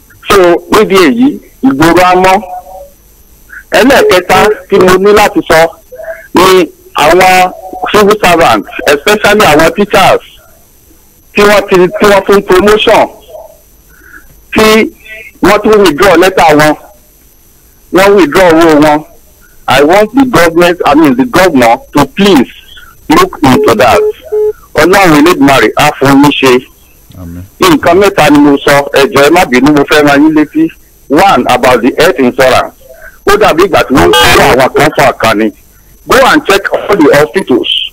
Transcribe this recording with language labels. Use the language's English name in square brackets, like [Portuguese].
[Yoruba] So níbi èyí ìgboro amọ́ ẹlẹ́ẹ̀kẹta tí mo ní láti sọ ni àwọn civil servants especially àwọn teachers tí wọ́n fún promotion tí wọ́n tún withdraw letter wọn withdraw owó wọn [English] I want the governor to please look into that. [Yoruba] Ọlọ́run Elédùmarè á fún mi ṣe. Nǹkan mẹ́ta ni mo sọ ẹ̀jọ̀ ẹ má bínú mo fẹ́ ran yín létí. [English] One about the health insurance. [Yoruba] Ó dàbí ìgbà tí wọ́n ń kọ́ àwọn kan fún àkànní. [English] Go and check all the hospitals.